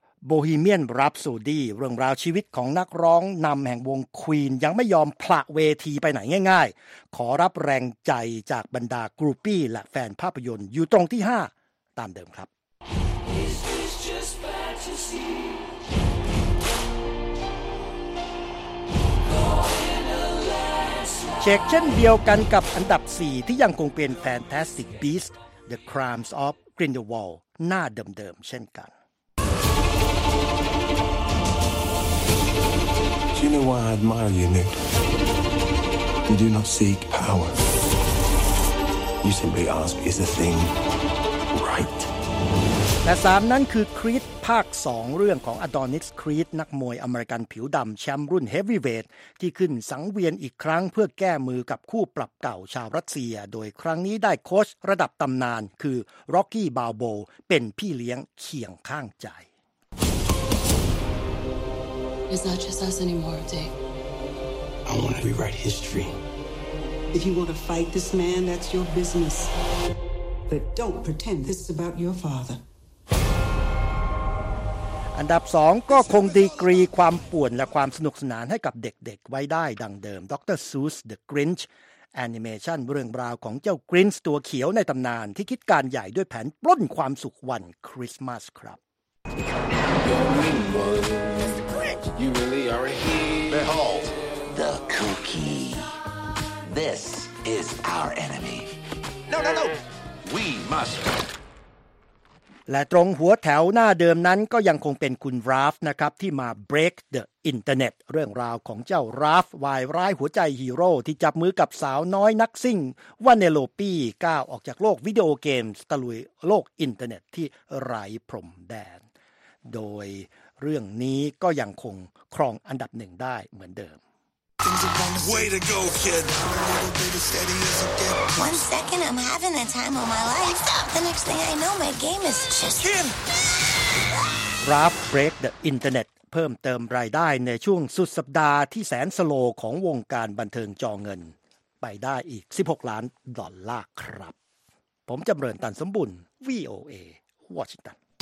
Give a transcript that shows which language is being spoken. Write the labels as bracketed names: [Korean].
[Thai] Bohemian Rhapsody เรื่องราวชีวิตของนักร้องนำแห่งวง Queen ยังไม่ยอมพละเวทีไปไหนง่ายๆขอรับแรงใจจากบรรดากรูปี้และแฟนภาพยนตร์อยู่ตรงที่5ตามเดิมครับ เช็คเช่นเดียวกันกับอันดับ4ที่ยังคงเป็น Fantastic Beasts The Crimes of Grindelwald หน้าเดิมๆเช่นกัน [English] Do you know why I admire you, Nick? You do not seek power. You simply ask, is the thing right? [Thai] และ3นั่นคือ Creed ภาค2เรื่องของ Adonis Creed นักมวยอเมริกันผิวดำแชมป์รุ่น Heavyweight ที่ขึ้นสังเวียนอีกครั้งเพื่อแก้มือกับคู่ปรับเก่าชาวรัสเซียโดยครั้งนี้ได้โค้ชระดับตำนานคือ Rocky Balboa เป็นพี่เลี้ยงเคียงข้างใจ [English] It's not just us anymore, Dave. I want to rewrite history. If you want to fight this man, that's your business. But don't pretend this is about your father. [Thai] อันดับ2ก็คงดีกรีความป่วนและความสนุกสนานให้กับเด็กๆไว้ได้ดังเดิมดร. ซูสเดอะกรินช์แอนิเมชันเรื่องราวของเจ้ากรินช์ตัวเขียวในตำนานที่คิดการใหญ่ด้วยแผนปล้นความสุขวันคริสต์มาสครับ [English] You really are a hero Behold the cookie This is our enemy No We must [Thai] และตรงหัวแถวหน้าเดิมนั้นก็ยังคงเป็นคุณราฟนะครับที่มา break the internet เรื่องราวของเจ้าราฟวายร้ายหัวใจฮีโร่ที่จับมือกับสาวน้อยนักซิ่งวาเนโลปี้ก้าวออกจากโลกวิดีโอเกมตะลุยโลกอินเทอร์เน็ตที่ไร้พรมแดนโดยเรื่องนี้ก็ยังคงครองอันดับหนึ่งได้เหมือนเดิม [English] Way to go, kid. A little bit as steady as it gets. One second I'm having the time of my life. The next thing I know, my game is just in. Raph break the internet. [Thai] เพิ่มเติมรายได้ในช่วงสุดสัปดาห์ที่แสนสโลของวงการบันเทิงจอเงินไปได้อีก16ล้านดอลลาร์ครับผมจำเริญตันสมบุญ VOA Washington